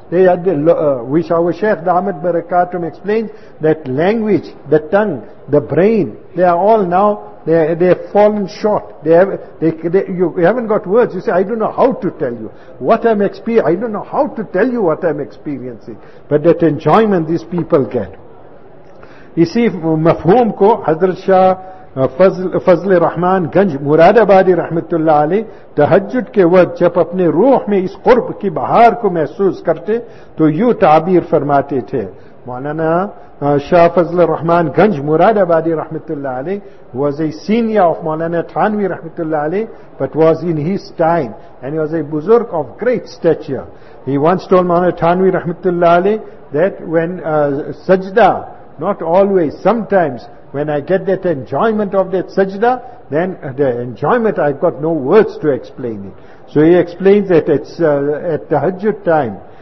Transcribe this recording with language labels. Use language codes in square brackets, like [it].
[en] They are the, which our Shaykh Ahmed Barakatum explains, that language, the tongue, the brain, they are all now, they have fallen short. You haven't got words. You say, I don't know how to tell you what I'm experiencing. I don't know how to tell you what I'm experiencing. But that enjoyment these people get. You see, [ur] mafhoom ko Hazrat Shah فضل رحمان گنج مراد آبادی رحمت اللہ علی تحجد کے وقت جب اپنے روح میں اس قرب کی بہار کو محسوس کرتے تو یوں تعبیر فرماتے تھے. [en] Maulana Shah Fazl Rahman Ganj Muradabadi رحمت اللہ علی was a senior of Maulana Thanvi رحمت اللہ علی, but was in his time and he was a بزرگ of great stature. He once told Maulana Thanvi رحمت اللہ علی that when سجدہ, not always, sometimes when I get that enjoyment of that sajda, then the enjoyment, I've got no words to explain it. So he explains that it's at tahajjud time,